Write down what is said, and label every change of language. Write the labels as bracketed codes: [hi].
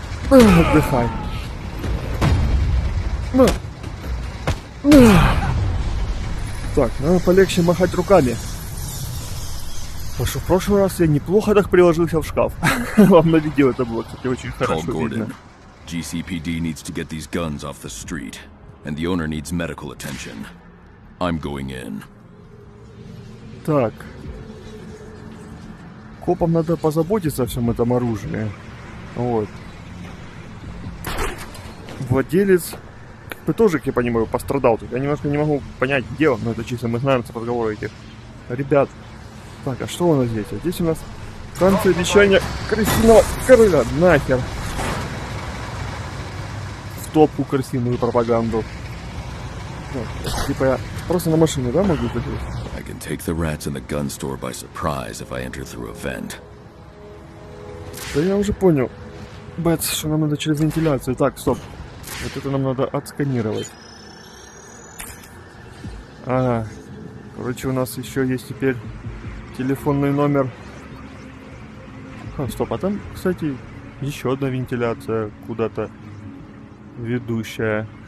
[ru] Отдыхай. Так, надо полегче махать руками. Потому что в прошлый раз я неплохо так приложился в шкаф. Вам на видео это было, кстати, очень хорошо видно. [en] GCPD needs to get these guns off the street, and the owner needs medical attention. I'm going in. [ru] Так. Копам надо позаботиться о всем этом оружии. Вот. Владелец, ты тоже, как я понимаю, пострадал. Я немножко не могу понять, где он, но это чисто мы знаем с разговора этих ребят. Так, а что у нас здесь? А здесь у нас танцы вещания крысиного короля. Нахер. Топку крысиную пропаганду. Вот, типа я просто на машине, да, могу залезть? [en] I can take the rats in the gun store by surprise if I enter through a vent. [ru] Да я уже понял, Бэтс, что нам надо через вентиляцию. Так, стоп. Вот это нам надо отсканировать. Ага. Короче, у нас еще есть теперь телефонный номер. А, стоп, а там, кстати, еще одна вентиляция куда-то ведущая.